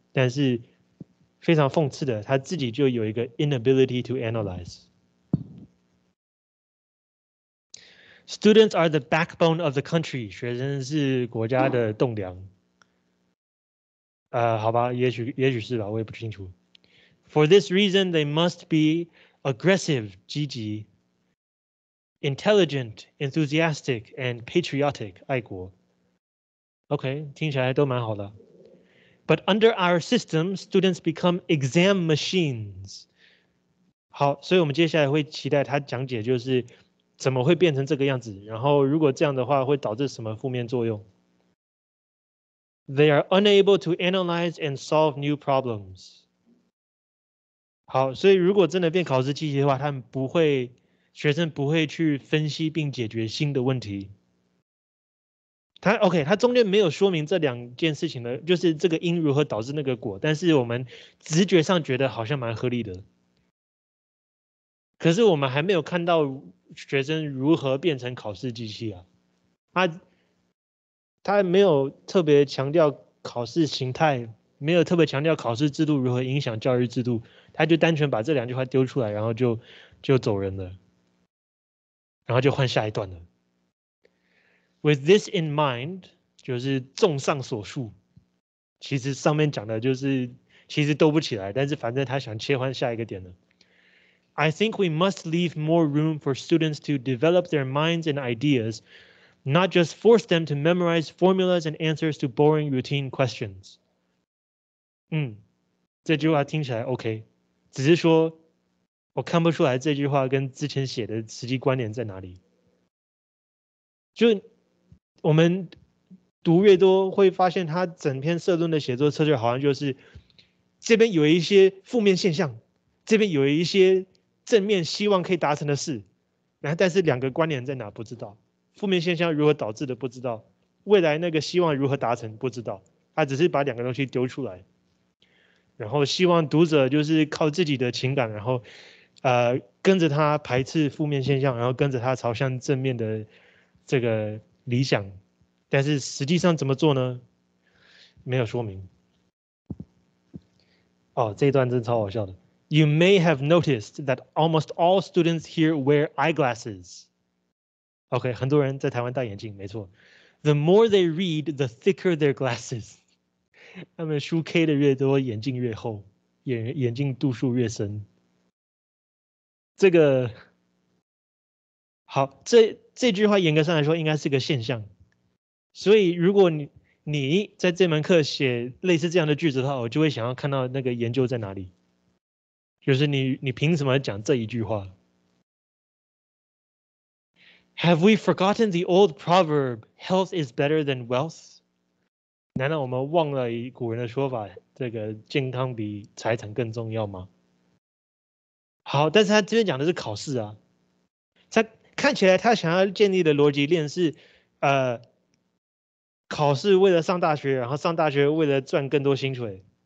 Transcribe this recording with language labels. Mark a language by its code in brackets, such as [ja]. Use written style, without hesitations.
[zh] 但是非常讽刺的，他自己就有一个 [en] inability to analyze。 Students are the backbone of the country. [zh] 学生是国家的栋梁。好吧，也许是吧，我也不清楚。 [en] For this reason, they must be aggressive, [zh] 积极。 [en] Intelligent, enthusiastic, and patriotic, [zh] 爱国。 OK, 听起来都蛮好的。 [en] But under our system, students become exam machines. [zh] 好，所以我们接下来会期待他讲解就是怎么会变成这个样子，然后如果这样的话会导致什么负面作用。 [en] They are unable to analyze and solve new problems. [zh] 好，所以如果真的变考试机器的话，他们不会，学生不会去分析并解决新的问题。他 OK， 他中间没有说明这两件事情的，就是这个因如何导致那个果，但是我们直觉上觉得好像蛮合理的。可是我们还没有看到学生如何变成考试机器啊，他没有特别强调考试形态，没有特别强调考试制度如何影响教育制度，他就单纯把这两句话丢出来，然后就走人了，然后就换下一段了。 [en] With this in mind, [zh] 就是综上所述，其实上面讲的就是其实兜不起来，但是反正他想切换下一个点了。 [en] I think we must leave more room for students to develop their minds and ideas, not just force them to memorize formulas and answers to boring routine questions. [zh] 这句话听起来 OK， 只是说我看不出来这句话跟之前写的实际关联在哪里。就我们读越多会发现他整篇社论的写作策略好像就是这边有一些负面现象，这边有一些正面希望可以达成的事，但是两个关联在哪不知道，负面现象如何导致的不知道，未来那个希望如何达成不知道，他只是把两个东西丢出来，然后希望读者就是靠自己的情感，然后跟着他排斥负面现象，然后跟着他朝向正面的这个理想，但是实际上怎么做呢？没有说明。哦，这一段真超好笑的。 [en] You may have noticed that almost all students here wear eyeglasses. [zh] OK, 很多人在台湾戴眼镜，没错。 [en] The more they read, the thicker their glasses. [zh] 他们书 K 的越多，眼镜越厚，眼镜度数越深。这个好，这句话严格上来说应该是个现象，所以如果 你在这门课写类似这样的句子的话，我就会想要看到那个研究在哪里，就是 你凭什么讲这一句话。 [en] Have we forgotten the old proverb health is better than wealth? [zh] 难道我们忘了以古人的说法，这个健康比财产更重要吗？好，但是他这边讲的是考试啊，看起来他想要建立的逻辑链是考试为了上大学，然后上大学为了赚更多薪水，